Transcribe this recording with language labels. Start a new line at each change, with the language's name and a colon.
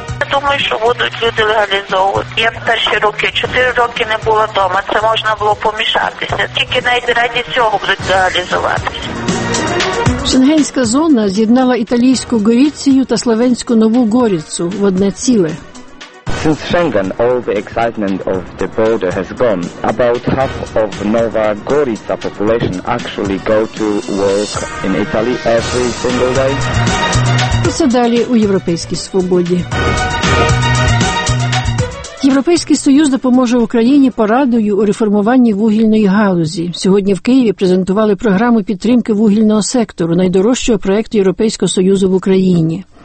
Ukrainian: Думаю, що будуть люди легалізовувати. Я в перші роки, 4 роки не була вдома, це можна було помішатися. Тільки навіть раді цього будуть легалізуватися. Шенгенська зона з'єднала італійську Горіцію та словенську Нову Горіцю в одне ціле.
English: Since Schengen, all the excitement of the border has gone. About half of Nova Gorica population actually go to work in Italy every single day.
Ukrainian: Усе далі у європейській свободі. Європейський Союз допоможе Україні порадою у реформуванні вугільної галузі. Сьогодні в Києві презентували програму підтримки вугільного сектору, найдорожчого проєкту Європейського Союзу в Україні.